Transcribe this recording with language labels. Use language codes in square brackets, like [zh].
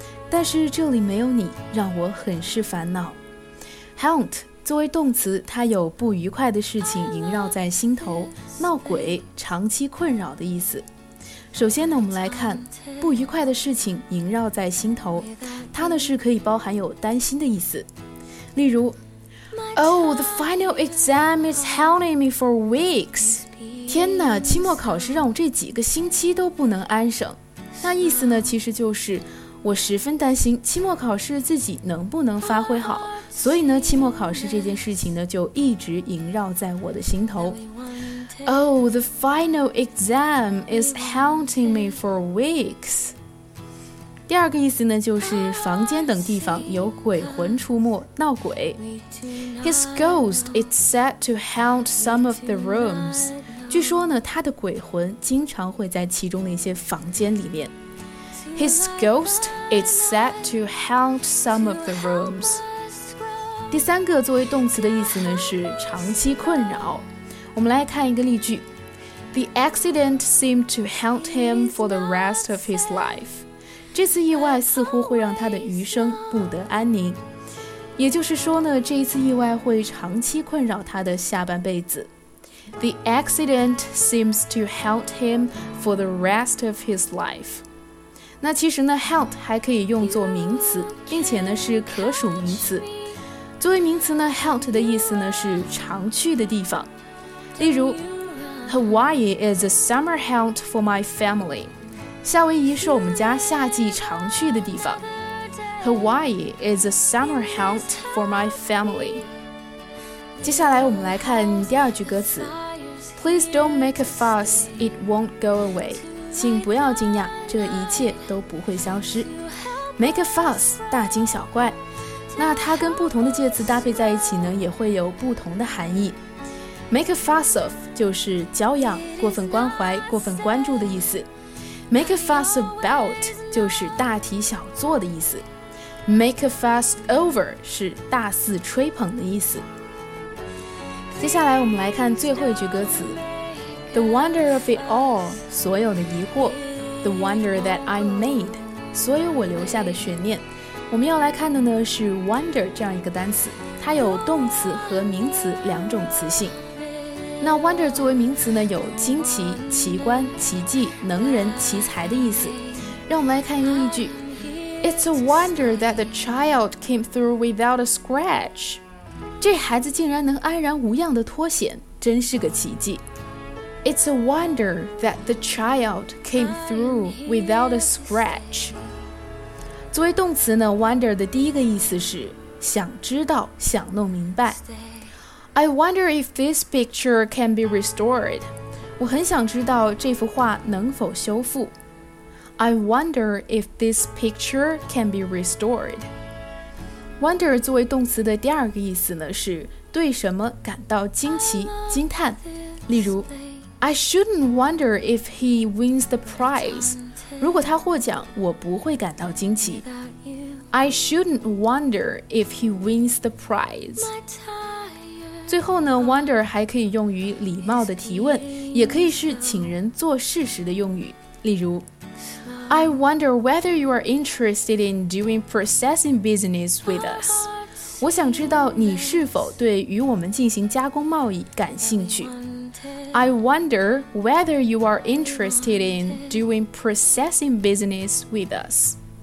[zh] 但是这里没有你让我很是烦恼。Haunt 作为动词，它有不愉快的事情萦绕在心头，闹鬼，长期困扰的意思。首先呢，我们来看不愉快的事情萦绕在心头，它呢是可以包含有担心的意思。 [en] 例如 Oh, the final exam is haunting me for weeks. [zh] 天哪，期末考试让我这几个星期都不能安生。那意思呢，其实就是我十分担心期末考试自己能不能发挥好，所以呢，期末考试这件事情呢就一直萦绕在我的心头。 [en] Oh, the final exam is haunting me for weeks. [zh] 第二个意思呢，就是房间等地方有鬼魂出没，闹鬼。 [en] His ghost is said to haunt some of the rooms. [zh] 据说呢，他的鬼魂经常会在其中的一些房间里面。 [en] His ghost is said to haunt some of the rooms. [zh] 第三个作为动词的意思呢是长期困扰。我们来看一个例句。 [en] The accident seemed to haunt him for the rest of his life. [zh] 这次意外似乎会让他的余生不得安宁。也就是说呢，这一次意外会长期困扰他的下半辈子。 [en] The accident seems to haunt him for the rest of his life. [zh] 那其实呢 haunt 还可以用作名词，并且呢是可数名词。作为名词呢 haunt 的意思呢是常去的地方。例如 [en] Hawaii is a summer haunt for my family. [zh] 夏威夷是我们家夏季常去的地方。 [en] Hawaii is a summer haunt for my family. [zh] 接下来我们来看第二句歌词。 [en] Please don't make a fuss, it won't go away. [zh] 请不要惊讶，这一切都不会消失。 [en] Make a fuss, [zh] 大惊小怪。那它跟不同的介词搭配在一起呢，也会有不同的含义。 [en] Make a fuss of [zh] 就是骄养、过分关怀、过分关注的意思。 [en] Make a fuss about [zh] 就是大题小做的意思。 [en] Make a fuss over [zh] 是大肆吹捧的意思。接下来我们来看最后一句歌词。 [en] The wonder of it all, [zh] 所有的疑惑。 [en] The wonder that I made, [zh] 所有我留下的悬念。我们要来看的呢是 wonder 这样一个单词，它有动词和名词两种词性。那 wonder 作为名词呢，有惊奇、奇观、奇迹、能人、奇才的意思。让我们来看一个例句。 [en] It's a wonder that the child came through without a scratch. [zh] 这孩子竟然能安然无恙地脱险，真是个奇迹。 [en] It's a wonder that the child came through without a scratch. [zh] 作为动词呢 ，wonder 的第一个意思是想知道，想弄明白。 [en] I wonder if this picture can be restored. [zh] 我很想知道这幅画能否修复。 [en] I wonder if this picture can be restored. [zh] Wonder 作为动词的第二个意思呢，是对什么感到惊奇、惊叹。例如 [en] ，I shouldn't wonder if he wins the prize. [zh] 如果他获奖，我不会感到惊奇。 [en] I shouldn't wonder if he wins the prize. [zh] 最后呢 ，wonder 还可以用于礼貌的提问，也可以是请人做事时的用语。例如。 [en] I wonder whether you are interested in doing processing business with us. [zh] 我想知道你是否对与我们进行加工贸易感兴趣。 [en] I wonder whether you are interested in doing processing business with us.